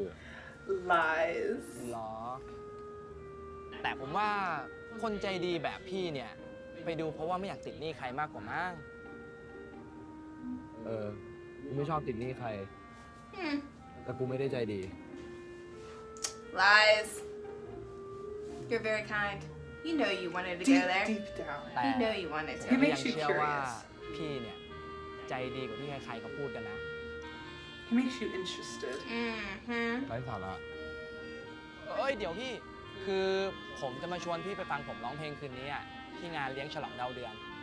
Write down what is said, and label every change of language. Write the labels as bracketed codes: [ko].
[en] อ Lies. [th] หรอแต่ผมว่าคนใจดีแบบพี่เนี่ยไปดูเพราะว่าไม่อยากติดหนี้ใครมากกว่ามั้ง ไม่ชอบติดหนี้ใครแต่กูไม่ได้ใจดี [en] Lies You're very kind You know you wanted to deep, go there Deep down You know you wanted to He makes you curious [th] ว่าพี่เนี่ยใจดีกว่าที่ใครๆก็พูดกันนะ [en] He makes you interested [th] ไร้สาระ เอ้ยเดี๋ยวพี่คือผมจะมาชวนพี่ไปฟังผมร้องเพลงคืนนี้ที่งานเลี้ยงฉลองดาวเดือน